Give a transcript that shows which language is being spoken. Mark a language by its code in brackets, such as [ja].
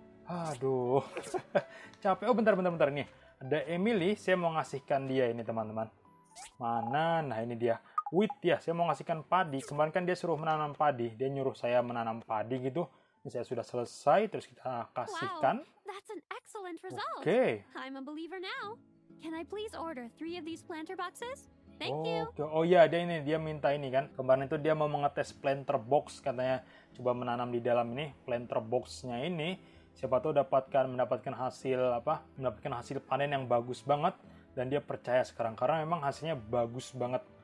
[id] Aduh, capek. Oh, bentar, ini. Ada Emily, saya mau ngasihkan dia ini teman-teman. Mana? Nah, ini dia. Wheat ya, saya mau ngasihkan padi. Kemarin kan dia suruh menanam padi. Dia nyuruh saya menanam padi gitu. Ini saya sudah selesai, terus kita kasihkan. [en] Wow, that's an excellent result. Okay. I'm a believer now. Can I please order 3 of these planter boxes? Thank you. [id] Oh, iya, dia ini, dia minta ini kan. Kemarin itu dia mau mengetes planter box, katanya coba menanam di dalam ini planter box-nya ini. Siapa tahu mendapatkan hasil panen yang bagus banget, dan dia percaya sekarang karena memang hasilnya bagus banget.